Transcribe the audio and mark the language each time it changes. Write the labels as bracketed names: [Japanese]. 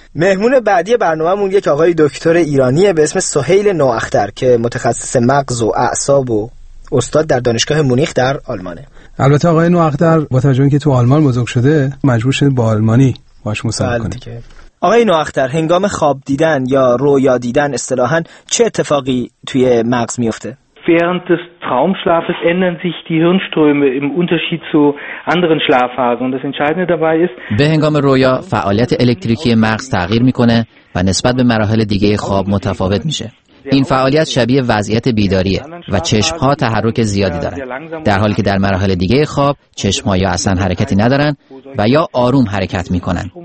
[Persian] مهمون بعدی برنامه‌مون یک آقای دکتر ایرانیه به اسم سهیل نواختر که متخصص مغز و اعصاب و استاد در دانشگاه مونیخ در آلمانه. البته آقای نواختر با توجه اینکه تو آلمان بزرگ شده مجبور شده با آلمانی باش مصاحبه کنه. آقای نواختر، هنگام خواب دیدن یا رویا دیدن اصطلاحاً چه اتفاقی توی مغز میفته؟ [German] Während des Traumschlafes ändern sich die Hirnströme im Unterschied zu anderen Schlafphasen und das Entscheidende dabei ist [Persian] به هنگام رویا فعالیت الکتریکی مغز تغییر میکنه و نسبت به مراحل دیگه خواب متفاوت میشه. این فعالیت شبیه وضعیت بیداریه و چشم‌ها تحرک زیادی دارن، در حالی که در مراحل دیگه خواب چشم‌ها یا اصلا حرکتی ندارن و یا آروم حرکت می‌کنن.